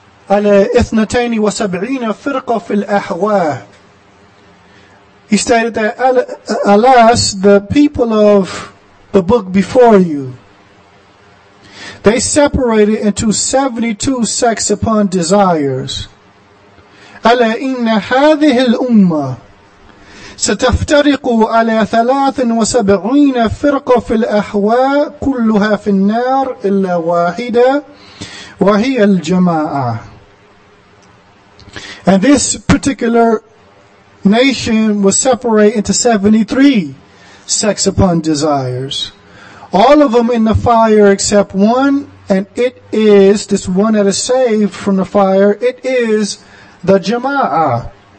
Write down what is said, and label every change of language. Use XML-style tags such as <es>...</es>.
<ar>على 72 فرقة في الأحواء.</ar> <en>He stated that, alas, the people of the book before you, they separated into 72 sects upon desires.</en> <ar>ألا إن هذه الأمة ستفترق على 73 فرقة في الأحواء كلها في النار إلا واحدة وهي الجماعة.</ar> <en>And this particular nation was separated into 73 sects upon desires. All of them in the fire except one, and it is, this one that is saved from the fire, it is the Jama'ah.</en>